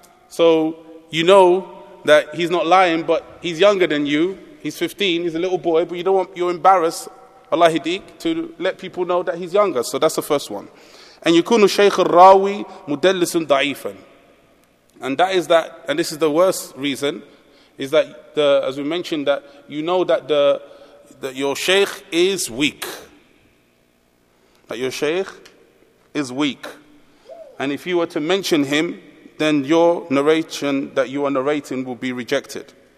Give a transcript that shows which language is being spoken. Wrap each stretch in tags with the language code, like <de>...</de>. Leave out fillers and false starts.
<en>So you know that he's not lying, but he's younger than you. He's 15, he's a little boy, but you're embarrassed, Allah Hidik, to let people know that he's younger. So that's the first one.</en> <ar>And يكون الشيخ الراوي مدلس ضعيفا.</ar> <en>And that is that, and this is the worst reason, is that the, as we mentioned, that you know that your sheikh is weak. That your sheikh is weak. And if you were to mention him, then your narration that you are narrating will be rejected.</en>